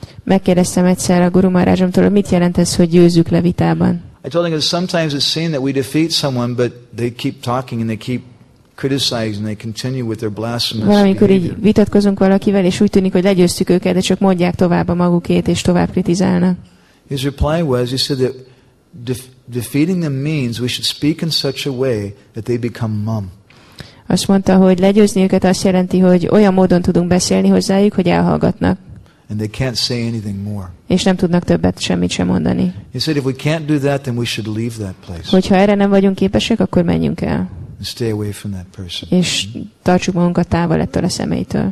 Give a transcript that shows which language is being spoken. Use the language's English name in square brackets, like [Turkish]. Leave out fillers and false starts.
[Hungarian] Megkérdeztem egyszer a Guru Maharajomtól, mit jelent ez, hogy győzzük le vitában. [English] I told him that sometimes it's seen that we defeat someone, but they keep talking and they keep criticizing and they continue with their blasphemous. [Hungarian] Valamikor így vitatkozunk valakivel, és úgy tűnik, hogy legyőztük őket, de csak mondják tovább a magukét, és tovább kritizálnak. [English] His reply was, he said that defeating them means we should speak in such a way that they become mum. [Hungarian] Azt mondta, hogy legyőzni őket azt jelenti, hogy olyan módon tudunk beszélni hozzájuk, hogy elhallgatnak. [English] And they can't say anything more. [Hungarian] És nem tudnak többet semmit sem mondani. [English] He said, if we can't do that, then we should leave that place. [Hungarian] Hogyha erre nem vagyunk képesek, akkor menjünk el. [English] And stay away from that person. [Hungarian] És tartsuk magunkat távol ettől a személytől.